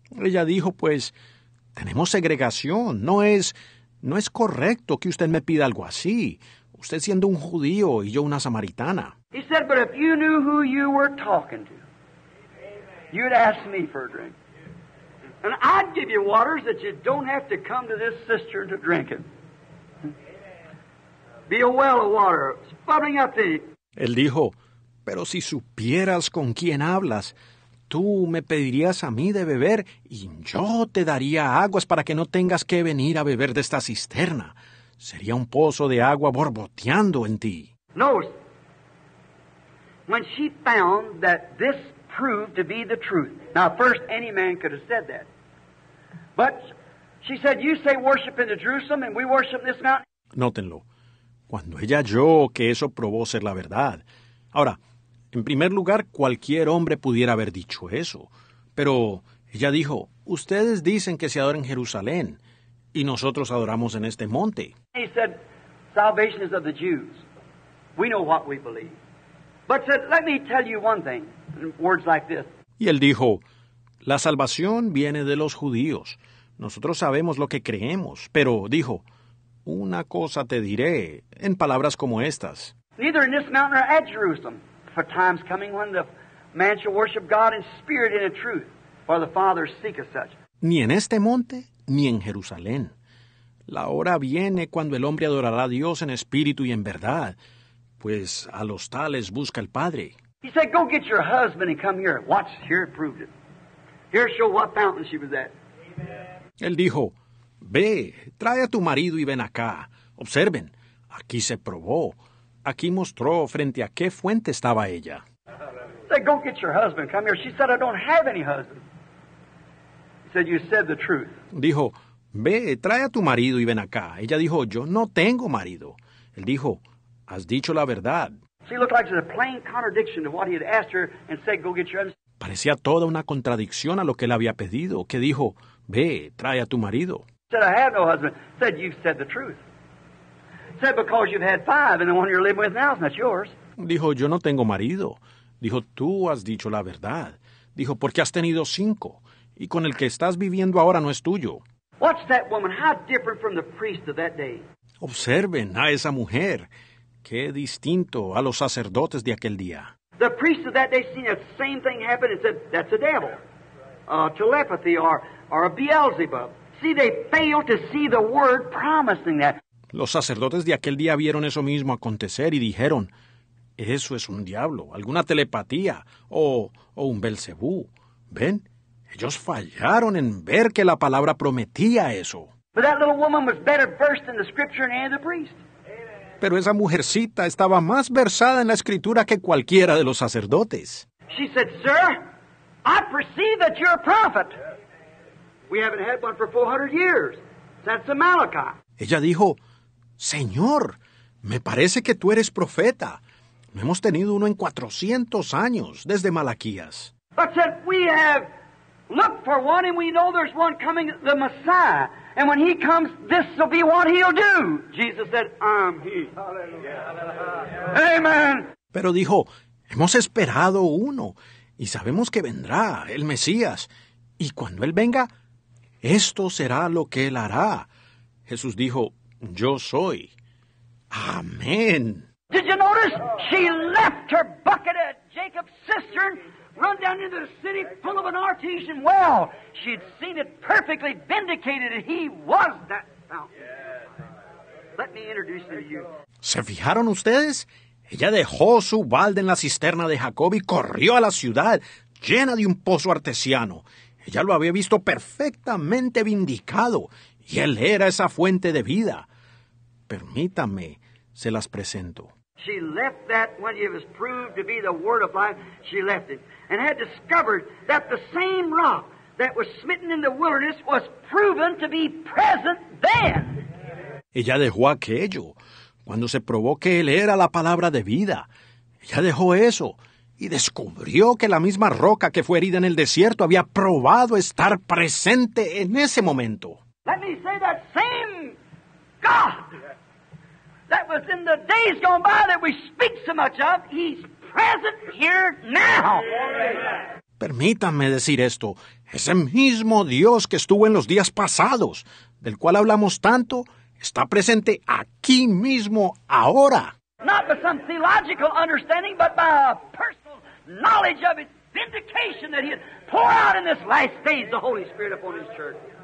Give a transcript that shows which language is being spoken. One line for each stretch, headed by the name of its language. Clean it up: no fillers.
Spanish: Ella dijo, pues, tenemos segregación. No es correcto que usted me pida algo así. Usted siendo un judío y yo una samaritana.
English: He said, but if you knew who you were talking to, you'd ask me for a drink. And I'd give you waters that you don't have to come to this cistern to drink it. Be a well of water, bubbling up to you.
Spanish: Él dijo, pero si supieras con quién hablas, tú me pedirías a mí de beber y yo te daría aguas para que no tengas que venir a beber de esta cisterna. Sería un pozo de agua borboteando en ti. No.
English: When she found that this proved to be the truth. Now, first, any man could have said that. But she said, you say worship in the Jerusalem and we worship this mountain.
Spanish: Nótenlo. Cuando ella oyó que eso probó ser la verdad. Ahora, en primer lugar, cualquier hombre pudiera haber dicho eso. Pero ella dijo, ustedes dicen que se adora en Jerusalén, y nosotros adoramos en este monte.
English: He said, salvation is of the Jews. We know what we believe. But said, let me tell you one thing, in words like this.
Spanish: Y él dijo, la salvación viene de los judíos. Nosotros sabemos lo que creemos. Pero dijo, una cosa te diré, en palabras como estas.
English: Neither in this mountain or at Jerusalem. For time's coming when the man shall worship God in spirit and in truth, for the Father seeketh such.
Spanish: Ni en este monte, ni en Jerusalén. La hora viene cuando el hombre adorará a Dios en espíritu y en verdad, pues a los tales busca el Padre.
English: He said, go get your husband and come here. Watch, here it proved it. Here show what fountain she was at. Amen.
Spanish: Él dijo, ve, trae a tu marido y ven acá. Observen, aquí se probó. Aquí mostró frente a qué fuente estaba ella.
English: Said, go get your husband. Come here. She said, I don't have any husband. He said, you said the truth.
Spanish: Dijo, ve, trae a tu marido y ven acá. Ella dijo, yo no tengo marido. Él dijo, has dicho la verdad.
English: She looked like it was a plain contradiction to what he had asked her and said, go get your husband.
Spanish: Parecía toda una contradicción a lo que él había pedido, que dijo, ve, trae a tu marido.
English: Said, I have no husband. Said, you said the truth. Said, because you've had five, and the one you're living with now is not yours.
Spanish: Dijo, yo no tengo marido. Dijo, tú has dicho la verdad. Dijo, porque has tenido cinco, y con el que estás viviendo ahora no es tuyo.
English: Watch that woman, how different from the priest of that day.
Spanish: Observen a esa mujer. Qué distinto a los sacerdotes de aquel día.
English: The priest of that day seen that same thing happen and said, that's a devil. Telepathy or a Beelzebub. See, they failed to see the word promising that.
Spanish: Los sacerdotes de aquel día vieron eso mismo acontecer y dijeron, eso es un diablo, alguna telepatía o un Belcebú. ¿Ven? Ellos fallaron en ver que la palabra prometía eso.
English: But that little woman was better versed in the scripture than the priest.
Spanish: Pero esa mujercita estaba más versada en la escritura que cualquiera de los sacerdotes.
English: She said, sir, I perceive that you're a prophet. We haven't had one for 400 years. That's a Malachi.
Spanish: Ella dijo, Señor, me parece que tú eres profeta. No hemos tenido uno en 400 años desde Malaquías.
English: But said, we have looked for one and we know there's one coming, the Messiah. And when he comes, this will be what he'll do. Jesus said, I'm he. Hallelujah. Amen.
Spanish: Pero dijo, hemos esperado uno y sabemos que vendrá el Mesías. Y cuando él venga, esto será lo que él hará. Jesús dijo, yo soy. Amén.
English: Did you notice? She left her bucket at Jacob's cistern, run down into the city full of an artesian well. She'd seen it perfectly vindicated, and he was that fountain. Let me introduce you to you.
Spanish: ¿Se fijaron ustedes? Ella dejó su balde en la cisterna de Jacob y corrió a la ciudad llena de un pozo artesiano. Ella lo había visto perfectamente vindicado, y él era esa fuente de vida. Permítame, se las presento.
English: She left that when it was proved to be the word of life, she left it, and had discovered that the same rock that was smitten in the wilderness was proven to be present then.
Spanish: Ella dejó aquello cuando se probó que él era la palabra de vida. Ella dejó eso y descubrió que la misma roca que fue herida en el desierto había probado estar presente en ese momento.
English: Let me say that same God that was in the days gone by that we speak so much of, he's present here now.
Spanish: Permítanme decir esto. Ese mismo Dios que estuvo en los días pasados, del cual hablamos tanto, está presente aquí mismo ahora.
English: Not by some theological understanding, but by a personal knowledge of his vindication that he has poured out in this last days the Holy Spirit upon his church.